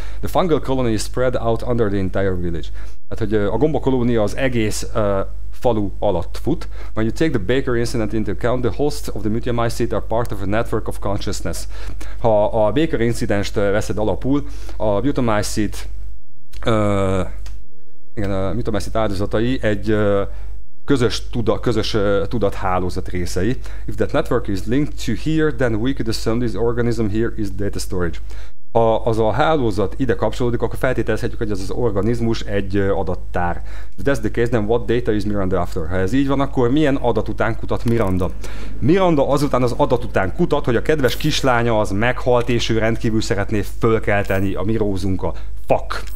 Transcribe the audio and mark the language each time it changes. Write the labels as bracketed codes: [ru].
[en] The fungal colony spread out under the entire village. [hu] Tehát, hogy a gombakolónia az egész falu alatt fut. [en] When you take the baker incident into account, the hosts of the mutamycete are part of a network of consciousness. [hu] Ha a baker incidenst veszed alapul, a mutamycete áldozatai egy közös tudathálózat részei. [en] If that network is linked to here, then we could assume this organism here is data storage. [hu] Ha az a hálózat ide kapcsolódik, akkor feltételezhetjük, hogy ez az organizmus egy adattár. [en] If that's the case, then what data is Miranda after? [hu] Ha ez így van, akkor milyen adat után kutat Miranda? Miranda azután az adat után kutat, hogy a kedves kislánya az meghalt, és ő rendkívül szeretné fölkelteni a mi rózunkkal. Fuck!